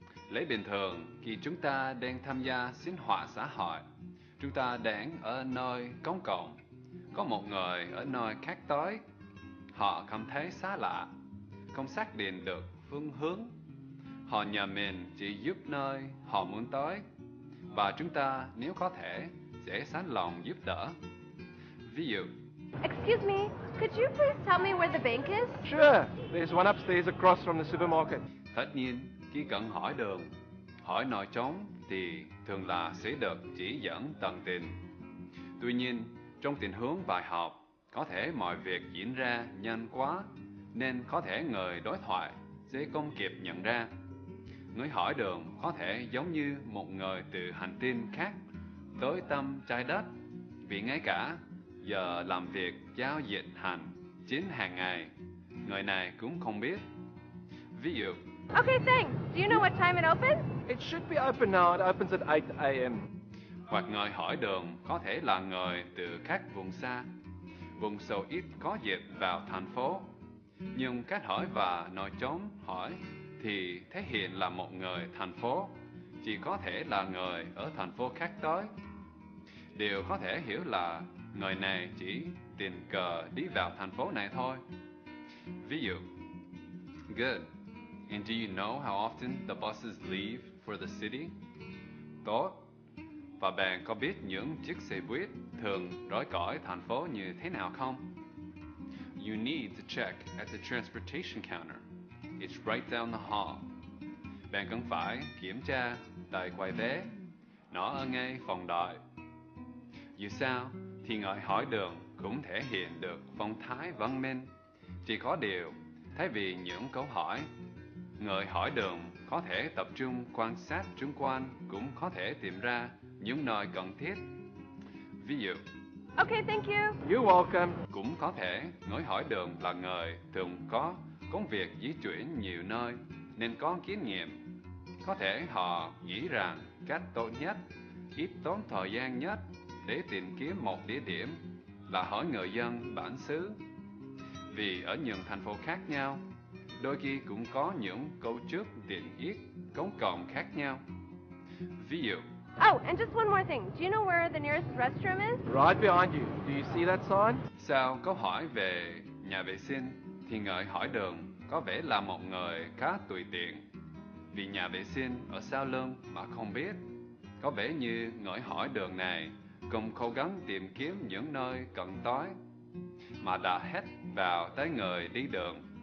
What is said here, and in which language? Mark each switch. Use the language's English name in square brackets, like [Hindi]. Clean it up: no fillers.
[Vietnamese] Lấy bình thường, khi chúng ta đang tham gia sinh hoạt xã hội, chúng ta đang ở nơi công cộng, có một người ở nơi khác tới, họ cảm thấy xa lạ, không xác định được phương hướng. Họ nhờ mình chỉ giúp nơi họ muốn tới, và chúng ta nếu có thể sẽ sẵn lòng giúp đỡ. Ví dụ, [English] excuse me, could you please tell me where the bank is? Sure, there's one upstairs across from the supermarket. [Vietnamese] Tất nhiên, khi cần hỏi đường, hỏi nơi trống thì thường là sẽ được chỉ dẫn tận tình. Tuy nhiên, trong tình huống bài học, có thể mọi việc diễn ra nhanh quá, nên có thể người đối thoại sẽ không kịp nhận ra. Người hỏi đường có thể giống như một người từ hành tinh khác tới tâm trái đất, vì ngay cả giờ làm việc giao dịch hành chính hàng ngày, người này cũng không biết. Ví dụ, [English] okay, thanks. Do you know what time it opens? It should be open now. It opens at 8 a.m. [Vietnamese] Hoặc người hỏi đường có thể là người từ các vùng xa, vùng sâu ít có dịch vào thành phố. Nhưng cách hỏi và nói chống hỏi thì thể hiện là một người thành phố, chỉ có thể là người ở thành phố khác tới. Điều có thể hiểu là người này chỉ tình cờ đi vào thành phố này thôi. Ví dụ, [English] good. And do you know how often the buses leave for the city? [Vietnamese] Tốt. Và bạn có biết những chiếc xe buýt thường rời khỏi thành phố như thế nào không? [English] You need to check at the transportation counter. It's right down the hall. [Vietnamese] Bạn cần phải kiểm tra tại quầy vé. Nó ở ngay phòng đợi. Dù sao, thì người hỏi đường cũng thể hiện được phong thái văn minh. Chỉ có điều, thay vì những câu hỏi, người hỏi đường có thể tập trung quan sát chung quanh, cũng có thể tìm ra những nơi cần thiết. Ví dụ, [English] okay, thank you. You're welcome. [Vietnamese] Cũng có thể người hỏi đường là người thường có công việc di chuyển nhiều nơi, nên có kinh nghiệm. Có thể họ nghĩ rằng cách tốt nhất, ít tốn thời gian nhất để tìm kiếm một địa điểm là hỏi người dân bản xứ. Vì ở những thành phố khác nhau, đôi khi cũng có những cấu trúc tiện ích công cộng khác nhau. Ví dụ, [English] oh, and just one more thing. Do you know where the nearest restroom is? Right behind you. Do you see that sign? [Vietnamese] Sau câu hỏi về nhà vệ sinh, thì người hỏi đường có vẻ là một người khá tùy tiện. Vì nhà vệ sinh ở sau lưng mà không biết, có vẻ như người hỏi đường này cùng cố gắng tìm kiếm những nơi cần tới, mà đã hết vào tới người đi đường.